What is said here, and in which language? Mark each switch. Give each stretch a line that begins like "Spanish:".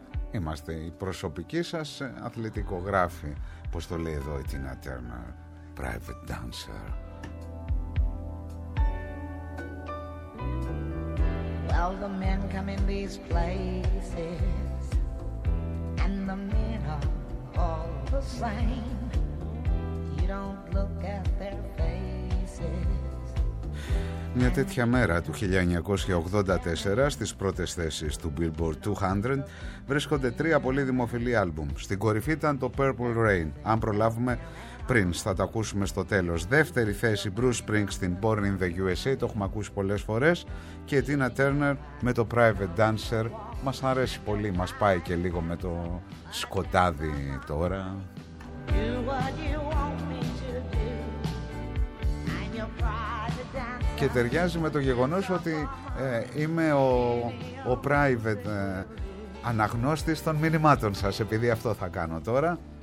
Greek: Είμαστε η προσωπική σας αθλητικογράφη, πως το λέει εδώ η Τίνα Τέρνερ, private dancer.
English: Well, the men come in these places and the men are all the same. You don't look at their faces.
Greek: Μια τέτοια μέρα του 1984, στις πρώτες θέσεις του Billboard 200, βρίσκονται τρία πολύ δημοφιλή άλμπουμ. Στην κορυφή ήταν το Purple Rain. Αν προλάβουμε πριν, θα τα ακούσουμε στο τέλος. Δεύτερη θέση, Bruce Springsteen, Born in the USA, το έχουμε ακούσει πολλές φορές. Και Tina Turner με το Private Dancer. Μας αρέσει πολύ, μας πάει και λίγο με το σκοτάδι τώρα.
English: Do what you want me to do.
Greek: και ταιριάζει με το γεγονός ότι είμαι ο private αναγνώστης των μηνυμάτων σας, επειδή αυτό θα κάνω τώρα.